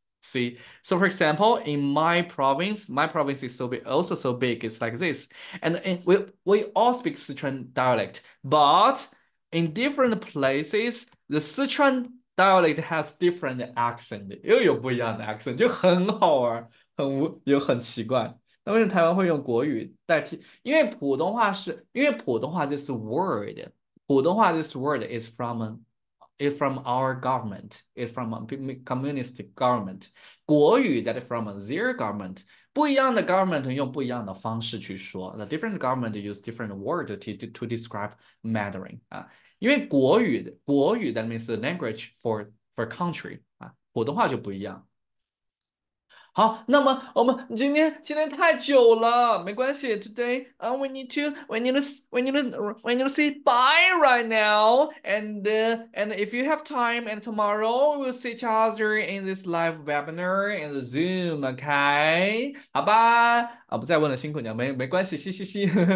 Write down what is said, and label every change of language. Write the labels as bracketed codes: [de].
[en] See, so for example, in my province is so big, also so big. It's like this, and we all speak Sichuan dialect, but in different places, the Sichuan dialect has different accent， [zh] 又有不一样的 accent，就很好玩，很无，又很奇怪。那为什么台湾会用国语代替？因为普通话是，因为普通话 [en] this word，普通话 this word is from our government, is from a communist government。国语 that is from their government。 [zh] 不一样的 government 用不一样的方式去说。 [en] The different government use different word to describe Mandarin 啊， [zh] 因为国语 [en] that means the language for country 啊， [zh] 普通话就不一样。好，那么我们今天太久了，没关系。 [en] Today, we need to say bye right now. And if you have time, and tomorrow we'll see each other in this live webinar in the Zoom. [zh] Okay, 好吧。啊，不再问了，辛苦你了，没关系，嘻嘻嘻。